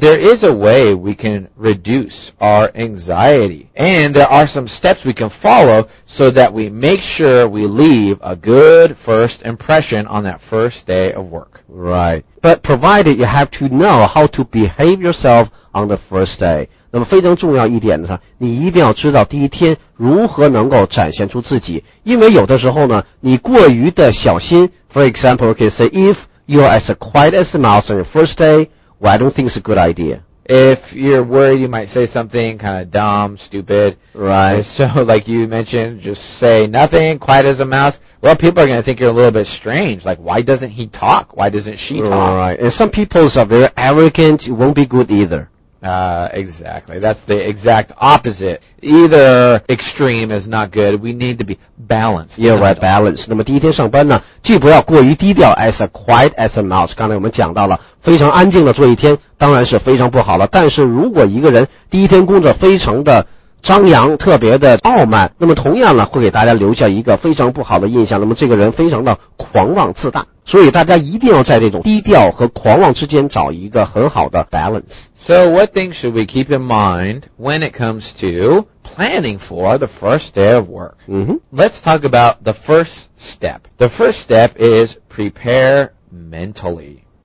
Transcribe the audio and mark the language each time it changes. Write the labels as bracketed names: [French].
[English] There is a way we can reduce our anxiety, and there are some steps we can follow so that we make sure we leave a good first impression on that first day of work. Right. But provided you have to know how to behave yourself on the first day. [Chinese] 那么非常重要一点呢，你一定要知道第一天如何能够展现出自己，因为有的时候呢，你过于的小心。 [English] For example, you can say, if you are as quiet as a mouse on your first day,Well, I don't think it's a good idea. If you're worried, you might say something kind of dumb, stupid. Right. So, like you mentioned, just say nothing, quiet as a mouse. Well, people are going to think you're a little bit strange. Like, why doesn't he talk? Why doesn't she talk? Right. And some people are very arrogant. It won't be good either. Exactly. That's the exact opposite. Either extreme is not good. We need to be balanced. Yeah, right, balanced. [Chinese] 那么第一天上班呢，既不要过于低调 [English] ,as a quiet as a mouse. [Chinese] 刚才我们讲到了，非常安静的做一天，当然是非常不好了。但是如果一个人第一天工作非常的张扬，特别的傲慢，那么同样呢，会给大家留下一个非常不好的印象。那么这个人非常的狂妄自大。所以大家一定要在这种低调和狂妄之间找一个很好的 balance. [English] So what things should we keep in mind when it comes to planning for the first day of work? Let's talk about the first step. The first step is prepare mentally.